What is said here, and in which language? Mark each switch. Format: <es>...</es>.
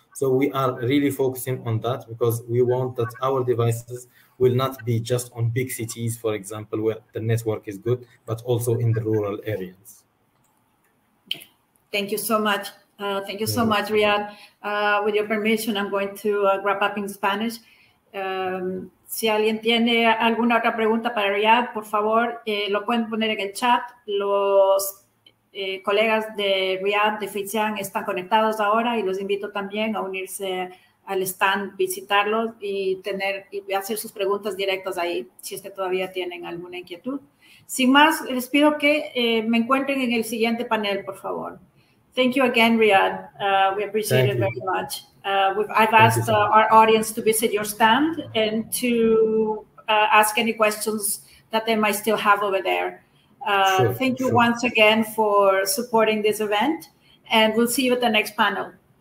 <en>So we are really focusing on that because we want that our devices will not be just on big cities, for example, where the network is good, but also in the rural areas. Thank you so much. Thank you so much, Riad. With your permission, I'm going to wrap up in Spanish.</en> <es>Si alguien tiene alguna otra pregunta para Riad, por favor, lo pueden poner en el chat. Los colegas de Riad, de Feitian, están conectados ahora y los invito también a unirse al stand, visitarlos y tener y hacer sus preguntas directas ahí, si es que todavía tienen alguna inquietud. Sin más, les pido que me encuentren en el siguiente panel, por favor.</es> <en>Thank you again, Riad. We appreciate it very much. I've asked our audience to visit your stand and to ask any questions that they might still have over there. Thank you once again for supporting this event, and we'll see you at the next panel.</en>